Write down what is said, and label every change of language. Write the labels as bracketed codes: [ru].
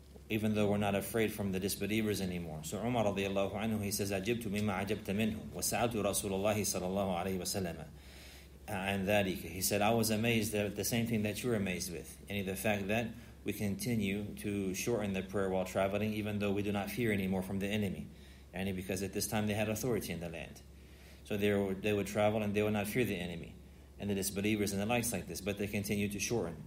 [en] Even though we're not afraid from the disbelievers anymore. So Umar radiallahu anhu, he says, [ar] أَجِبْتُ مِمَّا عَجَبْتَ مِنْهُمْ وَسَأَلْتُ رَسُولَ اللَّهِ صَلَى اللَّهُ عَلَيْهِ وَسَلَّمَ. [en] And that he said, I was amazed at the same thing that you're amazed with. Yani the fact that we continue to shorten the prayer while traveling, even though we do not fear anymore from the enemy. Yani because at this time they had authority in the land. So they would travel and they would not fear the enemy and the disbelievers and the likes like this, but they continue to shorten.